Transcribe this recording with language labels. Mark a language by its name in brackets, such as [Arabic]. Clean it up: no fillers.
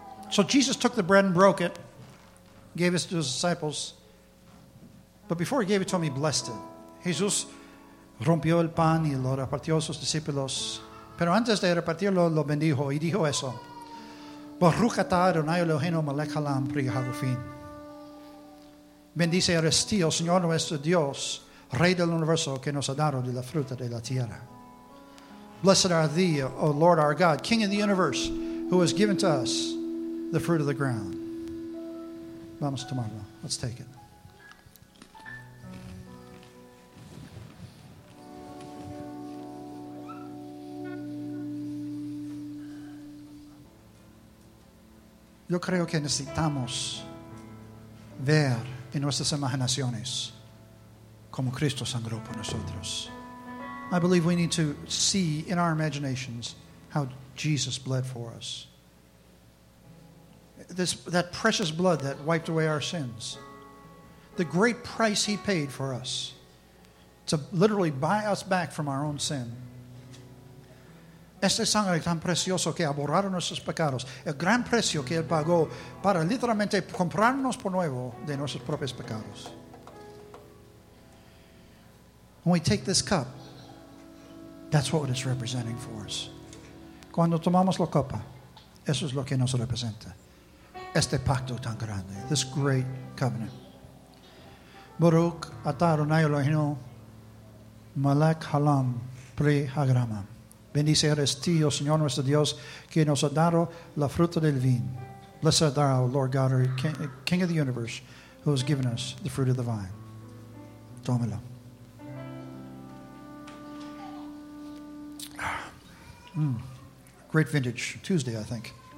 [English] So Jesus took the bread and broke it, gave it to his disciples. But before he gave it to them, he blessed it. [Spanish] Jesús rompió el pan y lo repartió a sus discípulos. Pero antes de repartirlo, lo bendijo y dijo eso. [Hebrew] Baruch atah Adonai Eloheinu melech haolam pri hagafin. [Spanish] Bendice eres tú, Señor nuestro Dios, Rey del Universo, que nos ha dado de la fruta de la tierra. [English] Blessed are thee, O Lord our God, King of the Universe, who has given to us the fruit of the ground. [Spanish] Vamos tomarlo. [English] Let's take it. [Spanish] Yo creo que necesitamos ver en nuestras imaginaciones como Cristo sangró por nosotros. [English] I believe we need to see in our imaginations how Jesus bled for us. That precious blood that wiped away our sins. The great price he paid for us to literally buy us back from our own sin. [Spanish] Este sangre tan precioso que ha borrado nuestros pecados. El gran precio que él pagó para literalmente comprarnos por nuevo de nuestros propios pecados. [English] When we take this cup, that's what it's representing for us. [Spanish] Cuando tomamos la copa, eso es lo que nos representa. Este pacto tan grande, [English] this great covenant. [Hebrew] Baruch atah Adonai Eloheinu melech haolam pri hagafin. [Spanish] Bendice eres ti, oh Señor nuestro Dios, que nos ha dado la fruta del vino. [English] Blessed are thou, Lord God, our King of the Universe, who has given us the fruit of the vine. [Spanish] Tómelo. [English] Great vintage. Tuesday, I think.